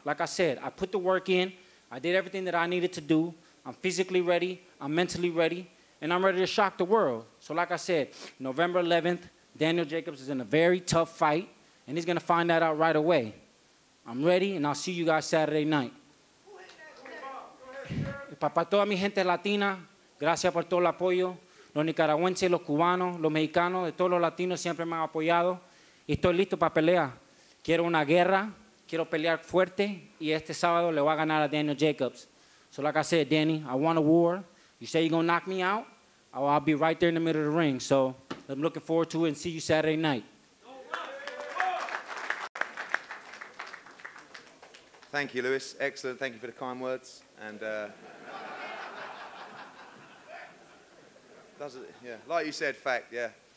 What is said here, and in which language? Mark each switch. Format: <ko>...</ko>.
<en>Like I said, I put the work in, I did everything that I needed to do. I'm physically ready, I'm mentally ready, and I'm ready to shock the world. So like I said, November 11th, Daniel Jacobs is in a very tough fight. And he's gonna find that out right away. I'm ready, and I'll see you guys Saturday night.</en> <es>Para toda mi gente latina, gracias por todo el apoyo. Los nicaragüenses, los cubanos, los mexicanos, de todos los latinos siempre me han apoyado. Y estoy listo para pelear. Quiero una guerra, quiero pelear fuerte, y este sábado le voy a ganar a Daniel Jacobs.</es> <en>So like I said, Danny, I want a war. You say you're gonna knock me out, I'll be right there in the middle of the ring. So I'm looking forward to it, and see you Saturday night. Thank you, Lewis. Excellent. Thank you for the kind words. And does it? Yeah. Like you said, fact. Yeah.</en>